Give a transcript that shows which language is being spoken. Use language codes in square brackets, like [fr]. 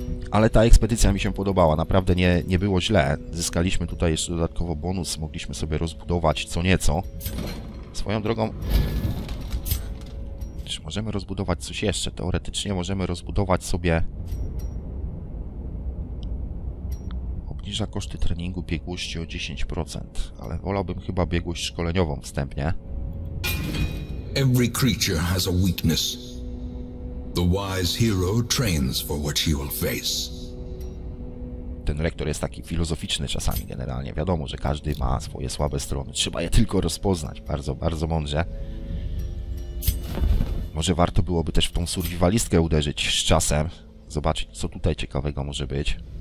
[pl] Ale ta ekspedycja mi się podobała, naprawdę nie było źle. Zyskaliśmy tutaj jeszcze dodatkowo bonus, mogliśmy sobie rozbudować co nieco. Swoją drogą... Czy możemy rozbudować coś jeszcze? Teoretycznie możemy rozbudować sobie... Obniża koszty treningu biegłości o 10%, ale wolałbym chyba biegłość szkoleniową wstępnie. [en] Every creature has a weakness. The wise hero trains for what he will face. [pl] Ten lektor jest taki filozoficzny czasami generalnie. Wiadomo, że każdy ma swoje słabe strony. Trzeba je tylko rozpoznać. Bardzo, bardzo mądrze. Może warto byłoby też w tą survivalistkę uderzyć z czasem. Zobaczyć, co tutaj ciekawego może być.